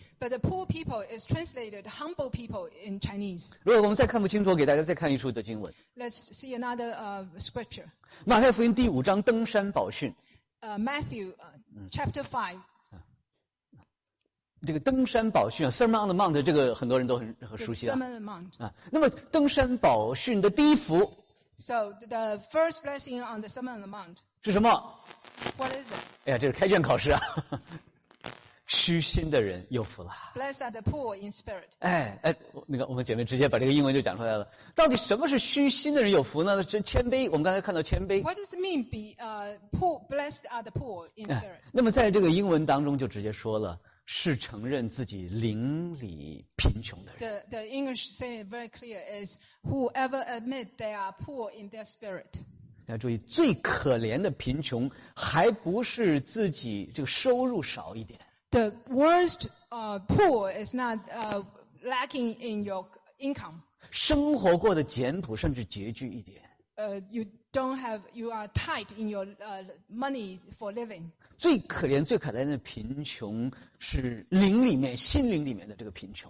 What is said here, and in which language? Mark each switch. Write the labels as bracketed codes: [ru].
[en] But the poor people is translated humble people in Chinese. [zh] 如果我们再看不清楚，给大家再看一处的经文。 [en] Let's see another scripture. [zh] 马太福音5登山宝训。 [en] Matthew chapter 5. [zh] 这个登山宝训啊 [en] Sermon on the Mount [zh] 这个很多人都 很熟悉 啊那么登山宝训的第一福 [en] So the first blessing on the Sermon on the Mount [zh] 是什么 [en] What is it? [zh] 哎呀这是开卷考试啊虚心的人有福了 [en] Blessed are the poor in spirit [zh] 那个我们姐妹直接把这个英文就讲出来了到底什么是虚心的人有福呢这谦卑我们刚才看到谦卑 [en] What does it mean be, poor, blessed are the poor in spirit [zh] 那么在这个英文当中就直接说了是承认自己邻里贫穷的人 [en] the English say it very clear is whoever admit they are poor in their spirit [zh] 要注意最可怜的贫穷还不是自己这个收入少一点 [en] the worst poor is not lacking in your income [zh] 生活过得简朴甚至拮据一点 [en] you are tight in your money for living. [zh] 最可怜最可怜的贫穷是灵里面心灵里面的这个贫穷。